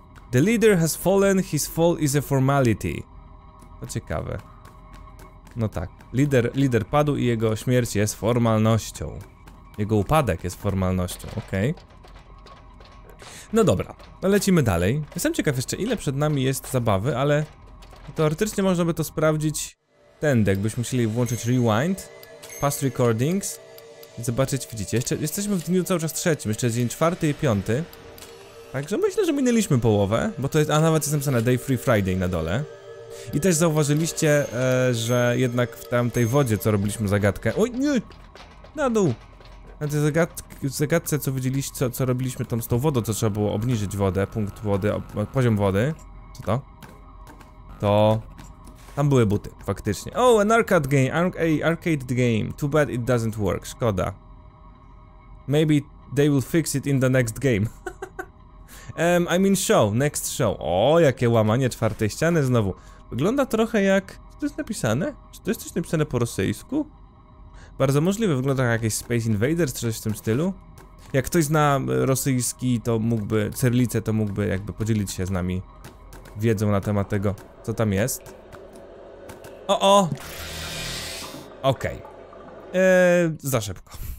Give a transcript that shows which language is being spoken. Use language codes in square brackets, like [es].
[en] The leader has fallen, his fall is a formality. [pl] To ciekawe. No tak. Lider padł i jego śmierć jest formalnością. Jego upadek jest formalnością, okej. No dobra. Lecimy dalej. Jestem ciekaw jeszcze, ile przed nami jest zabawy, ale... teoretycznie można by to sprawdzić tędy, jakbyśmy musieli włączyć [en] rewind, past recordings. [pl] Zobaczyć, widzicie, jeszcze jesteśmy w dniu cały czas trzecim, jeszcze jest dzień czwarty i piąty. Także myślę, że minęliśmy połowę, bo to jest, a nawet jest napisane [en] Day Free Friday [pl] na dole. I też zauważyliście, że jednak w tamtej wodzie, co robiliśmy zagadkę, oj, nie, na dół. Na tej zagadce, co widzieliście, co robiliśmy tam z tą wodą, co trzeba było obniżyć wodę, punkt wody, poziom wody. Co to? To... tam były buty, faktycznie. [en] Oh, an arcade game, arcade game. Too bad it doesn't work, [pl] szkoda. [en] Maybe they will fix it in the next game. I mean show, next show. [pl] O, jakie łamanie czwartej ściany znowu. Wygląda trochę jak... Czy to jest napisane? Czy to jest coś napisane po rosyjsku? Bardzo możliwe, wygląda jak jakieś Space Invaders, czy coś w tym stylu. Jak ktoś zna rosyjski, to mógłby... cyrylicę, to mógłby jakby podzielić się z nami wiedzą na temat tego, co tam jest. O, o! Okej. Za szybko.